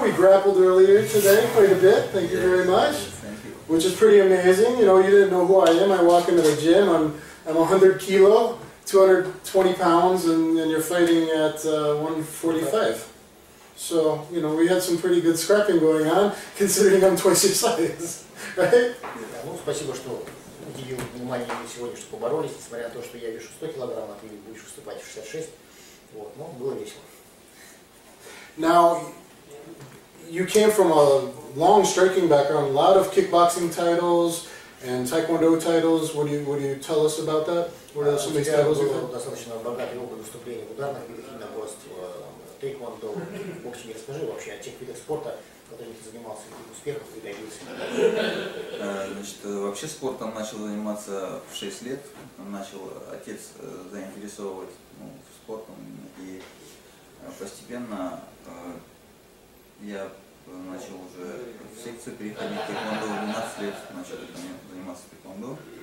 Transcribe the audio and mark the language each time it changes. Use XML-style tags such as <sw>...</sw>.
<en>We grappled earlier today quite a bit. Thank you very much. Which is pretty amazing. You know, you didn't know who I am. I walk into the gym, I'm 100 kilo, 220 pounds, and you're fighting at 145. So, you know, we had some pretty good scrapping going on, considering I'm twice your size, right? Yeah,</en> <ru>well, спасибо, что уделил внимание мне сегодня, что поборолись, несмотря на то, что я вешу 100 килограмм, а ты будешь выступать в 66. Вот, ну, было весело.</ru> <en>Now, you came from a long striking background, a lot of kickboxing titles and taekwondo titles. What do you tell us about that? What are some examples of that?</en> <ru>Достаточно богатый опыт выступлений в ударных видах единоборств, тхэквондо. В общем, я расскажи вообще о тех видах спорта, которыми ты занимался, и успехов и добился. Значит, вообще спортом начал заниматься в 6 лет. Начал отец заинтересовывать спортом, и постепенно я начал уже в секцию переходить, тхэквондо, в 12 лет начал заниматься тхэквондо.</ru>